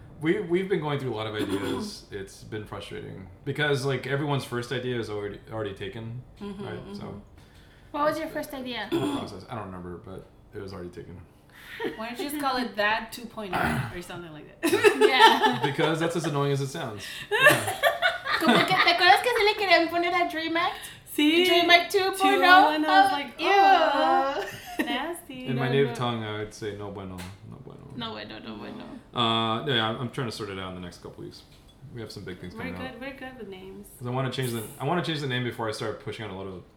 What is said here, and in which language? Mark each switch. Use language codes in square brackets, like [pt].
[en] We've been going through a lot of ideas. It's been frustrating, because, like, everyone's first idea is already taken, right? Mm-hmm. So. What was your first idea? Process. I don't remember, but it was already taken. Why don't you just call it that 2.0 or something like that? Yeah. Because that's as annoying as it sounds. [es] Como que te acuerdas que se le querían poner a Dream Act? Sí. [en] Dream Act 2.0? And I was like, ew. Nasty. In my native tongue, I would say [es] no bueno. No bueno. No bueno, no bueno. [en] Yeah, I'm trying to sort it out in the next couple weeks. We have some big things coming up. We're good with names. Because I want to change the name before I start pushing out a lot of